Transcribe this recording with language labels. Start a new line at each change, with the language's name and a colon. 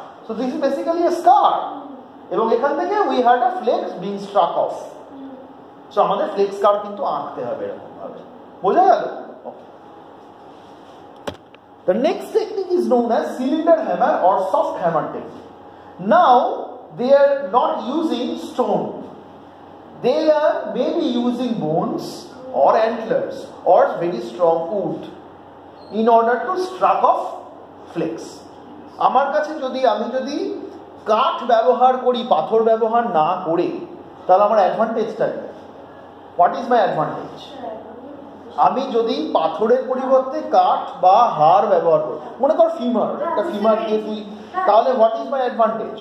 English: so this is basically a scar,
Bangla: এবং এখান থেকে
English: we had a flake being struck off, so
Bangla: আমাদের ফ্লেক স্কার কিন্তু আঁকতে হবে এরকম ভাবে। বোঝা গেল?
English: The next technique is known as cylinder hammer or soft hammer technique. Now, they are not using stone. They are maybe using bones or antlers or very strong wood in order to strike off flakes.
Bangla: আমার কাছে যদি আমি যদি কাঠ ব্যবহার করি, পাথর ব্যবহার না করে, তাহলে আমার অ্যাডভান্টেজটা কি?
English: What is my advantage?
Bangla: আমি যদি পাথরের পরিবর্তে কাঠ বা হার ব্যবহার করি, মনে কর ফিমার, একটা ফিমার দিয়ে তুই, তাহলে
English: What is my advantage?